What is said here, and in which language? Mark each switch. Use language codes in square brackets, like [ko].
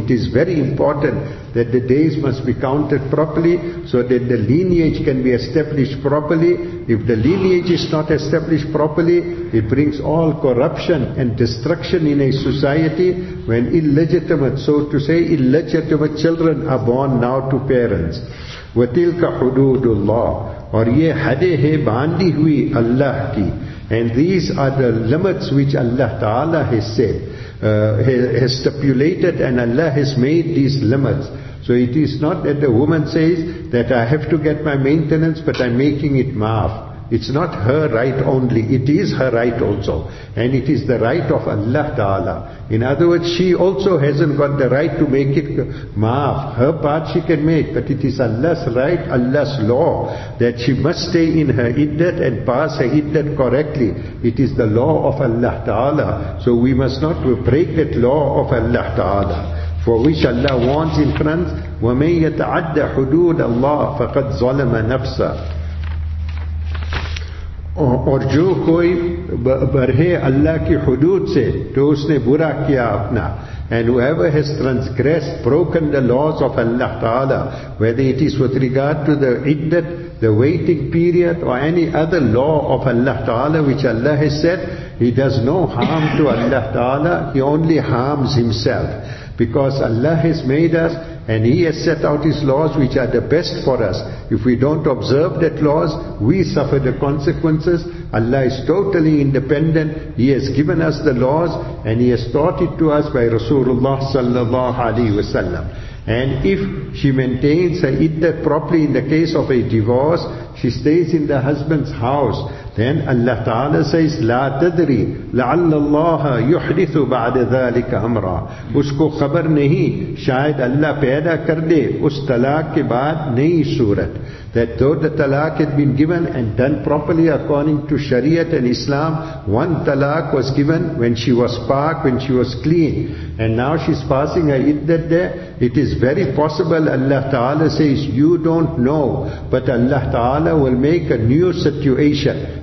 [en] It is very important that the days must be counted properly so that the lineage can be established properly. If the lineage is not established properly, it brings all corruption and destruction in a society when illegitimate, so to say, illegitimate children are born now to parents. [ar] وَتِلْكَ حُدُودُ اللَّهِ [ur] اور یہ حدیں ہیں باندھی ہوئی اللہ کی. [en] And these are the limits which Allah Ta'ala has said, has stipulated, and Allah has made these limits. So it is not that the woman says that I have to get my maintenance, but I'm making it maaf. It's not her right only, it is her right also. And it is the right of Allah Ta'ala. In other words, she also hasn't got the right to make it maaf. Her part she can make, but it is Allah's right, Allah's law, that she must stay in her iddat and pass her iddat correctly. It is the law of Allah Ta'ala. So we must not break that law of Allah Ta'ala. For which Allah warns in front, [ar] وَمَنْ يَتَعَدَّ حُدُودَ اللَّهِ فَقَدْ ظَلَمَ نَفْسَهُ. [ur] اور جو کوئی برہے اللہ کی حدود سے تو اس نے برا کیا اپنا. [en] And whoever has transgressed, broken the laws of Allah Ta'ala, whether it is with regard to the iddat, the waiting period, or any other law of Allah Ta'ala which Allah has said, he does no harm to Allah Ta'ala, he only harms himself. Because Allah has made us, and he has set out his laws which are the best for us. If we don't observe that laws, we suffer the consequences. Allah is totally independent. He has given us the laws, and he has taught it to us by Rasulullah sallallahu alaihi wasallam. And if she maintains her iddah properly in the case of a divorce, she stays in the husband's house, then Allah Ta'ala says, [ar] لا تدري لعل الله يحدث بعد ذلك أمرا. [ur] اس کو خبر نہیں, شاید اللہ پیدا کر دے اس طلاق کے بعد نئی صورت. [en] That though the talaq had been given and done properly according to Sharia and Islam, one talaq was given when she was pak, when she was clean, and now she's passing her iddat there, it is very possible Allah Ta'ala says, you don't know, but Allah Ta'ala will make a new situation.